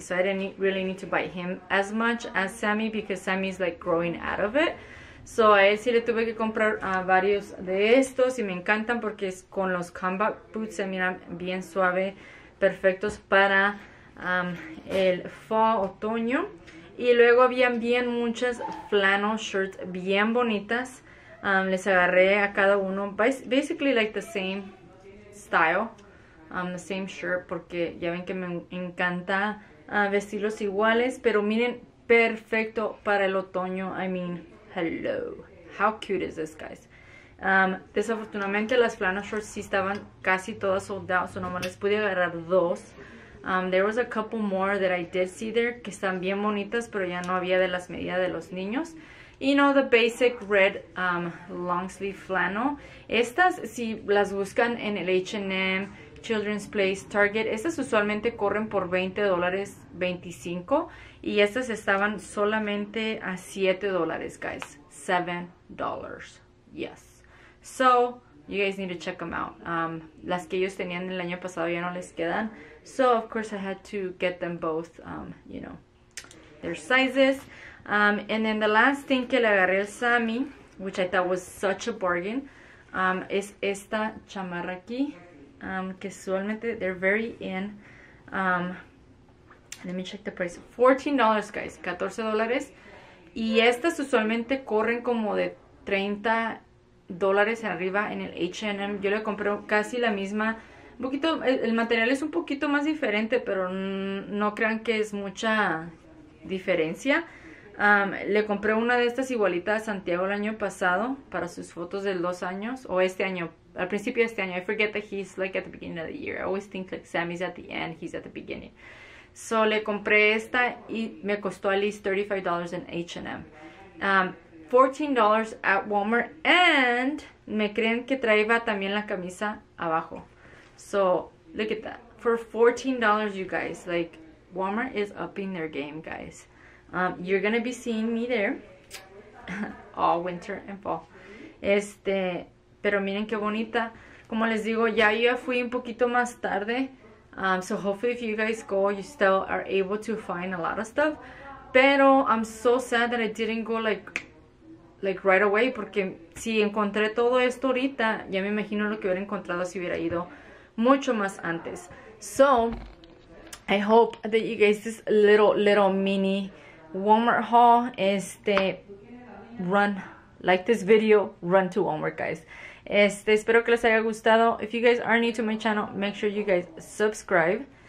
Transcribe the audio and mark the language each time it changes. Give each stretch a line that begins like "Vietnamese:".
English: So I didn't really need to buy him as much as Sammy because Sammy's like growing out of it.
Spanish: So a él sí le tuve que comprar varios de estos y me encantan porque es con los combat boots, se miran bien suave, perfectos para el fall, otoño. Y luego habían bien muchas flannel shirts bien bonitas. Les agarré a cada uno
English: basically like the same style, the same shirt,
Spanish: porque ya ven que me encanta vestirlos iguales, pero miren, perfecto para el otoño.
English: I mean, hello, how cute is this, guys?
Spanish: Desafortunadamente las flannel shirts sí estaban casi todas sold out, so nomás les pude agarrar dos.
English: There was a couple more that I did see there
Spanish: que están bien bonitas, pero ya no había de las medidas de los niños.
English: Y you know, the basic red long sleeve flannel.
Spanish: Estas, si las buscan en el H&M, Children's Place, Target, estas usualmente corren por $20, $25. Y estas estaban solamente a $7, guys. $7. Yes.
English: So, you guys need to check them out.
Spanish: Las que ellos tenían el año pasado ya no les quedan.
English: So, of course, I had to get them both, you know, their sizes. And then the last thing
Spanish: que le agarré el Sammy,
English: which I thought was such a bargain,
Spanish: es esta chamarra aquí, que usualmente
English: they're very in. Let me check the price. $14, guys. $14.
Spanish: Y estas usualmente corren como de $30 en arriba en el H&M. Yo le compré casi la misma. Un poquito, el material es un poquito más diferente, pero no crean que es mucha diferencia. Le compré una de estas igualita a Santiago el año pasado para sus fotos de 2 años. O este año, al principio de este año.
English: I forget that he's like at the beginning of the year. I always think like Sammy's at the end, he's at the beginning.
Spanish: So, le compré esta y me costó
English: at least
Spanish: $35 en H&M. $14
English: at Walmart.
Spanish: And me creen que traía también la camisa abajo.
English: So, look at that. For $14, you guys, like, Walmart is upping their game, guys. You're going to be seeing me there all winter and fall.
Spanish: Pero miren qué bonita. Como les digo, ya yo fui un poquito más tarde.
English: So hopefully if you guys go, you still are able to find a lot of stuff. Pero I'm so sad that I didn't go like right away.
Spanish: Porque si encontré todo esto ahorita, ya me imagino lo que hubiera encontrado si hubiera ido mucho más antes.
English: So, I hope that you guys, this little mini Walmart haul, run, like this video, run to Walmart, guys.
Spanish: Espero que les haya gustado.
English: If you guys are new to my channel, make sure you guys subscribe.